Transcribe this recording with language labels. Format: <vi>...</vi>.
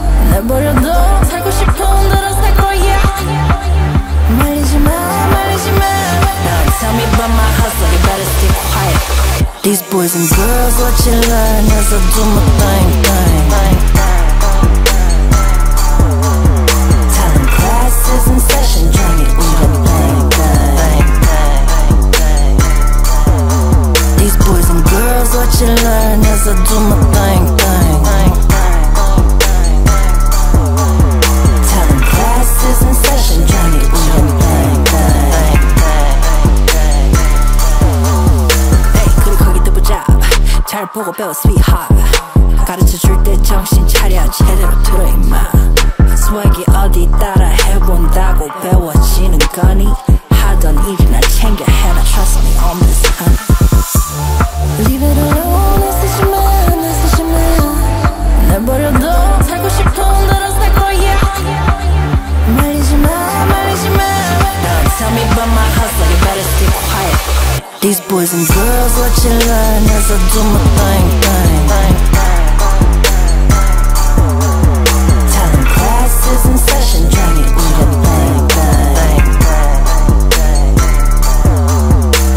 <ko>날 버려도 살고 싶은 대로 살 거야. 말리지 마, 말리지 마.</ko> <en>Now tell me about my hustle, you better stay quiet. These boys and girls, what you learn as I do my thing, thing. Tell them classes in session, join me with your thing, thing. These boys and girls, what you learn as I do my thing, thing. Tell them classes in session, join me with your thing, thing.</en> <ko>Hey, 그리고 거기 또 보자. 잘 보고 배워, sweetheart. 가르쳐 줄 때 정신 차려, 제대로 들어, 임마. 수학이 어디 따라 해본다고 배워지는 거니? 하던 일이나 챙겨 해라,</ko> <en>trust me on this, honey. Leave it alone,</en> <ko>있으시면, 있으시면. 날 버려도 살고 싶은 대로 살 거야. 말리지 마, 말리지 마.</ko> <en>Now tell me about my hustle, you better stay quiet. These boys and girls, what you learn as I do my thing, thing. Tell them classes in session, join me with your thing, thing.</en>